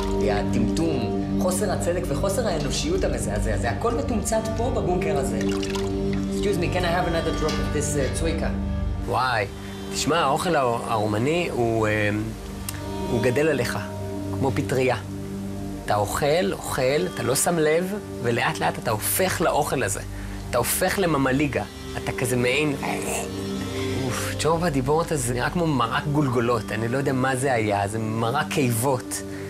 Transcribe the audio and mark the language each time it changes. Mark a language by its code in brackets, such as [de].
[he] הדמדום, חוסר הצדק וחוסר האנושיות המזעזע הזה, הכל מתומצת פה בבונקר הזה. [en] Excuse me, can I have another drop of this צויקה? [he] וואי, תשמע, האוכל הרומני הוא גדל עליך, כמו פטריה. אתה אוכל, אוכל, אתה לא שם לב, ולאט לאט אתה הופך לאוכל הזה. אתה הופך לממליגה, אתה כזה מעין... אוף, צ'ורב הדיבורת הזה נראה כמו מרק גולגולות, אני לא יודע מה זה היה, זה מרק קיבות.